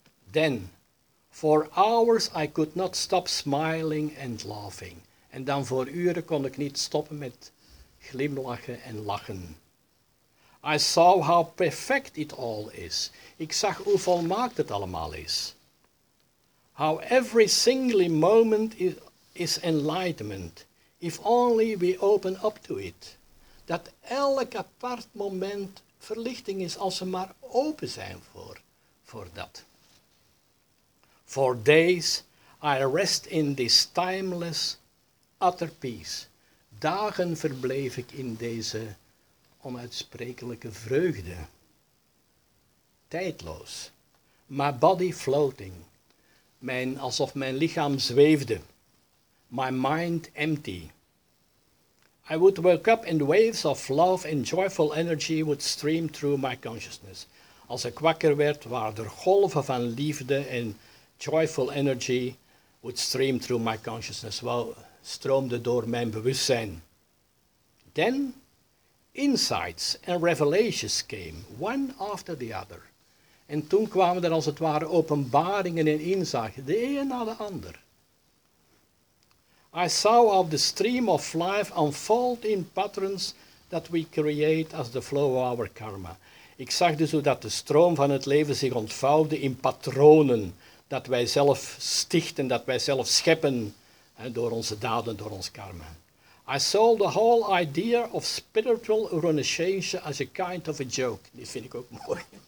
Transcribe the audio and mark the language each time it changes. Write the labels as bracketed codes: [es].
[en] Then, for hours I could not stop smiling and laughing. [nl] En dan voor uren kon ik niet stoppen met glimlachen en lachen. [en] I saw how perfect it all is. [nl] Ik zag hoe volmaakt het allemaal is. [en] How every single moment is enlightenment, if only we open up to it. [nl] Dat elk apart moment verlichting is als we maar open zijn voor dat. [en] For days I rest in this timeless utter peace. [nl] Dagen verbleef ik in deze onuitsprekelijke vreugde. Tijdloos. [en] My body floating. [nl] Alsof mijn lichaam zweefde. [en] My mind empty. I would wake up and waves of love and joyful energy would stream through my consciousness. [nl] Als ik wakker werd, waren er golven van liefde en [en] joyful energy would stream through my consciousness. [nl] Stroomde door mijn bewustzijn. [en] Then, insights and revelations came, one after the other. [nl] En toen kwamen er als het ware openbaringen en inzichten, de een na de ander. [en] I saw how the stream of life unfold in patterns that we create as the flow of our karma. [nl] Ik zag dus hoe dat de stroom van het leven zich ontvouwde in patronen dat wij zelf stichten, dat wij zelf scheppen hè, door onze daden, door ons karma. [en] I saw the whole idea of spiritual renunciation as a kind of a joke. [nl] Dit vind ik ook mooi.